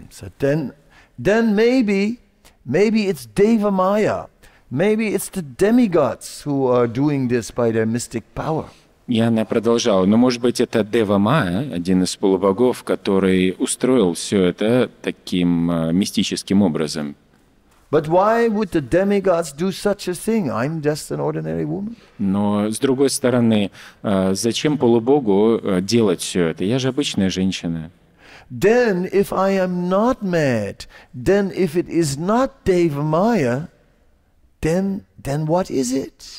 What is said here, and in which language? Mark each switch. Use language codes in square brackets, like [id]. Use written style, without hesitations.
[en] So then maybe it's Deva Maya, maybe it's the demigods who are doing this by their mystic power. [ru] И она продолжала, но, может быть, это Дева Майя, один из полубогов, который устроил все это таким мистическим образом. [en] But why would the demigods do such a thing? I'm just an ordinary woman. [ru] Но, с другой стороны, зачем полубогу делать все это? Я же обычная женщина. [en] Then, if I am not mad, then if it is not Дева Майя, then what is it?